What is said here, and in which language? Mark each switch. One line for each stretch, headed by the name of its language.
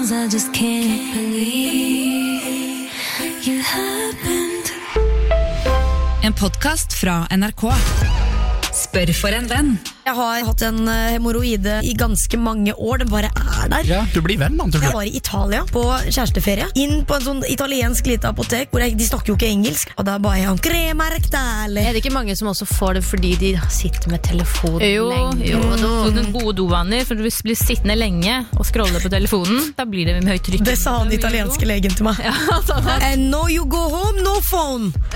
English: just can't believe you happened.
Norwegian: En podcast fra NRK. Spør for en venn. Jeg har hatt en hemoroide I ganske mange år. Den bare der. Ja, du blir venn, antar du. Jeg var I Italia på kjæresteferie. Inn på en sånn italiensk lite apotek, hvor de snakker jo ikke engelsk. Og da bare jeg, kremerk derlig. Det ikke mange som også får det fordi de sitter med telefonen lenge? Jo, du får noen gode dovaner, for du blir sittende lenge og scroller på telefonen. Da blir det med høyt trykk. Det sa den italienske legen til meg. Ja, sånn.
English: And now you go home, no phone.